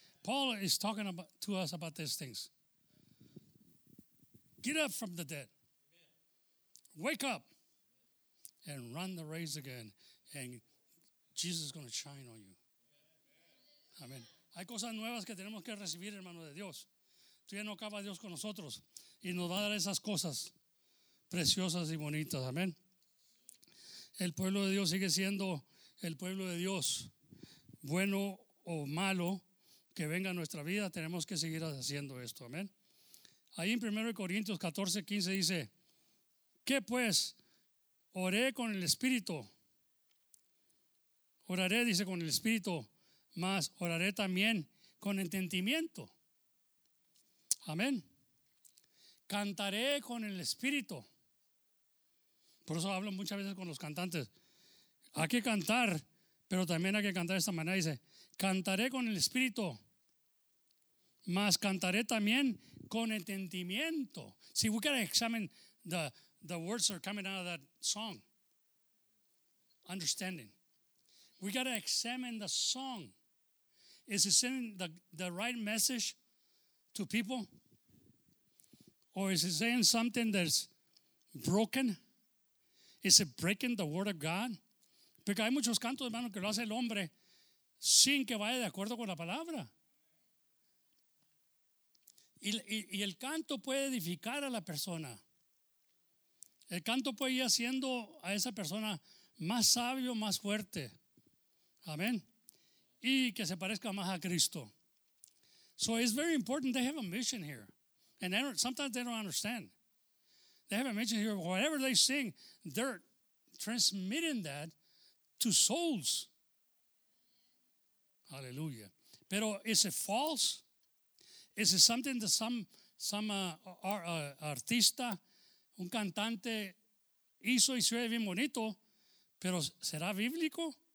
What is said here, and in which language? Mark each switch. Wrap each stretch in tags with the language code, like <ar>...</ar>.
<en>Paul is talking to us about these things. Get up from the dead. Wake up and run the race again. And Jesus is going to shine on you.</en> <es>Amén. Hay cosas nuevas que tenemos que recibir, hermano de Dios. Todavía no acaba Dios con nosotros. Y nos va a dar esas cosas preciosas y bonitas. Amén. El pueblo de Dios sigue siendo el pueblo de Dios. Bueno o malo que venga a nuestra vida, tenemos que seguir haciendo esto. Amén. Ahí en 1 Corintios 14:15 dice, ¿qué pues? Oré con el Espíritu. Oraré, dice, con el Espíritu, mas oraré también con entendimiento. Amén. Cantaré con el Espíritu. Por eso hablo muchas veces con los cantantes. Hay que cantar, pero también hay que cantar de esta manera. Dice, cantaré con el Espíritu, mas cantaré también con entendimiento.</es> <en>See, we gotta examine the words that are coming out of that song. Understanding. We gotta examine the song. Is it sending the right message to people? Or is it saying something that's broken? Is it breaking the word of God?</en> <es>Porque hay muchos cantos, hermano, que lo hace el hombre sin que vaya de acuerdo con la palabra. Y el canto puede edificar a la persona. El canto puede ir haciendo a esa persona más sabio, más fuerte. Amén. Y que se parezca más a Cristo.</es> <en>So it's very important they have a mission here. And sometimes they don't understand. They have a mission here. Whatever they sing, they're transmitting that to souls.</en> <es>Hallelujah. Pero</es> <en>is it false? Is it something that</en> <es>artista, un cantante, hizo y se ve bien bonito, pero será bíblico?</es>